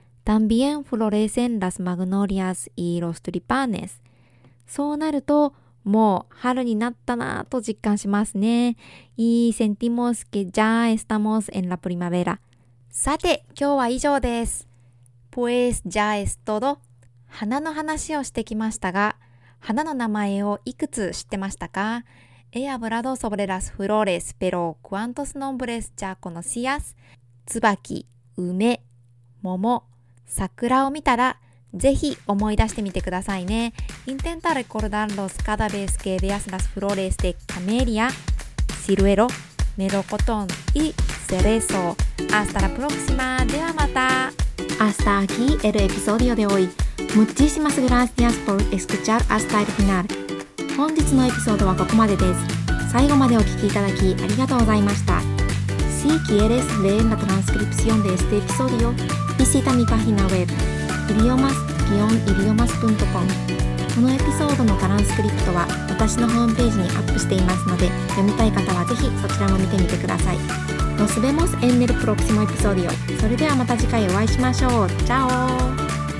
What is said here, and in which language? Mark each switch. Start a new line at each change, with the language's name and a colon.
Spanish: También florecen las magnolias y los tulipanes.
Japanese: そうなると、もう春になったなぁと実感しますね。
Spanish: Y sentimos que ya estamos en la primavera.
Japanese: さて、今日は以上です。
Spanish: Pues ya es todo。
Japanese: 花の話をしてきましたが、花の名前をいくつ知ってましたか？
Spanish: He hablado sobre las flores, pero ¿cuántos nombres ya conocías?
Japanese: 椿、梅、桃、桜を見たら、ぜひ思い出してみてくださいね。
Spanish: Intenta recordarlos cada vez que veas las flores de camelia, ciruelo, melocotón y cerezo. Hasta la próxima.
Japanese: ¡Deva mata!
Spanish: Hasta aquí el episodio de hoy. Muchísimas gracias por escuchar hasta el final.
Japanese: 本日のエピソードはここまでです。最後までお聞きいただきありがとうございました。
Spanish: Si quieres leer la transcripción de este episodio, visita mi página web.
Japanese: idiomas-idiomas.com このエピソードのトランスクリプトは私のホームページにアップしていますので、読みたい方はぜひそちらも見てみてください。
Spanish: Nos vemos en el próximo episodio。
Japanese: それではまた次回お会いしましょう。チャオ。